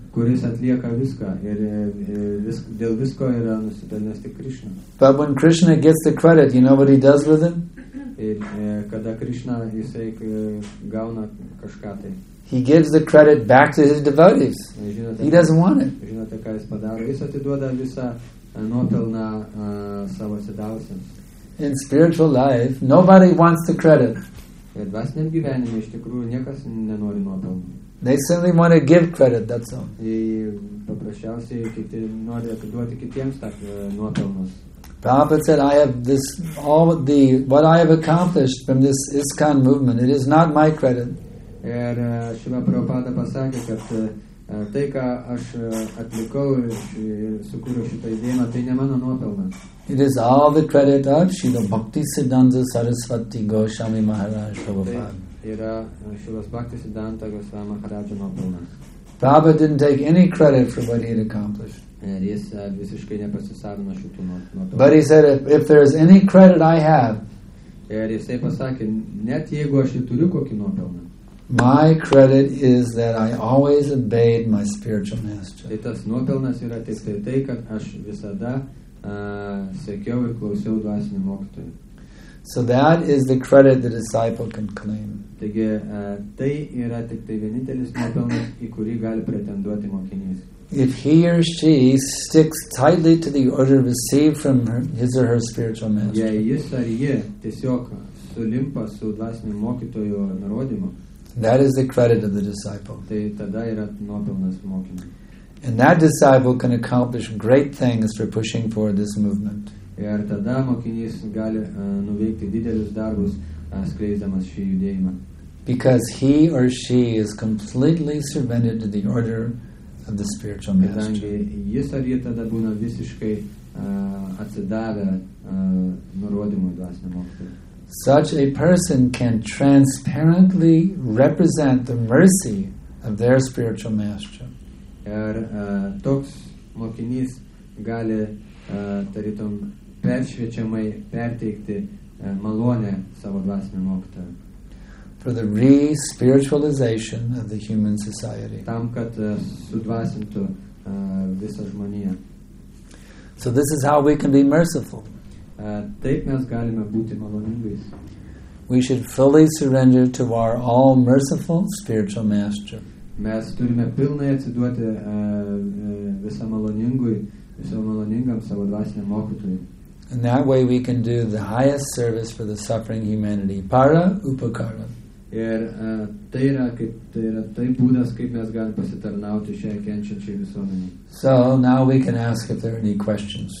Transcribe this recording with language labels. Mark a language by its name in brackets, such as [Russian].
[Lithuanian] Kuris atlieka viską ir dėl visko yra nusipelnęs tik Krishna. [English] But when Krishna gets the credit, you know what he does with it? [Lithuanian] Ir kada Krishna jisai gauna kažką tai. [English] He gives the credit back to his devotees. He doesn't want it. [Lithuanian] Žinote, ką jis padaro? Jis atiduoda visą nuopelną savo sėdausiams. [English] In spiritual life, nobody wants the credit. [Lithuanian] Ir dvasiniam gyvenime iš tikrųjų niekas nenori nuopelnų. [English] They simply want to give credit, that's all. [Lithuanian] Paprasčiausiai kiti nori atiduoti kitiems tą nuopelnus. [English] Prabhupada said, I have this, all the, what I have accomplished from this ISKCON movement, it is not my credit. [Lithuanian] Ir Šrila Prabhupada pasakė, kad tai, ką aš atlikau ir sukūriau šitą idėją, tai ne mano nuopelnas. [English] It is all the credit of Srila Bhakti Siddhanta Sarasvati Goswami Maharaj Prabhupada. [Lithuanian] Yra Šilas Bhakti Siddhanta Goswami Maharaja nuopelnas. [English] Prabhupada didn't take any credit for what he had accomplished. [Lithuanian] Jis visiškai nepasisavino šitų nuopelnų. [English] But he said, if there is any credit I have, [Lithuanian] ir jisai pasakė, net jeigu aš turiu kokį nuopelną, [English] my credit is that I always obeyed my spiritual master. [Lithuanian] Tai tas nuopelnas yra tik tai, kad aš visada sekiau ir klausiau dvasinį mokytojų. [English] So that is the credit the disciple can claim. [Lithuanian] Taigi, tai yra tik tai vienintelis nuopelnas, į kurį gali pretenduoti mokinys. [English] If he or she sticks tightly to the order received from his or her spiritual master. [Lithuanian] Jei jis ar ji tiesiog sulimpa su dvasiniu mokytojo nurodymu. [English] That is the credit of the disciple. [Lithuanian] Tai tada yra nuopelnas mokiniui. [English] And that disciple can accomplish great things for pushing forward this movement. [Lithuanian] Ir tada mokinys gali nuveikti didelius darbus skleisdamas šį judėjimą. [English] Because he or she is completely surrendered to the order of the spiritual master. [Lithuanian] Kadangi jis ar ji tada būna visiškai atsidavę nurodymui dvasiniam mokytojui. [English] Such a person can transparently represent the mercy of their spiritual master. [Lithuanian] Ir toks mokinys gali tarytum peršviečiamai perteikti malonę savo dvasiniam mokytojui. [English] For the re-spiritualization of the human society. [Lithuanian] Tam, kad sudvasintų visą žmoniją. [English] So this is how we can be merciful. [Lithuanian] Taip mes galime būti maloningais. [English] We should fully surrender to our all-merciful spiritual master. [Lithuanian] Mes turime pilnai atsiduoti visą maloningam savo dvasiniam mokytojui. [English] And that way we can do the highest service for the suffering humanity. [Sanskrit] Para upakara. [Lithuanian] Ir tai yra būdas, kaip mes galime pasitarnauti šiai kenčiančiai visuomenei. [English] So, now we can ask if there are any questions.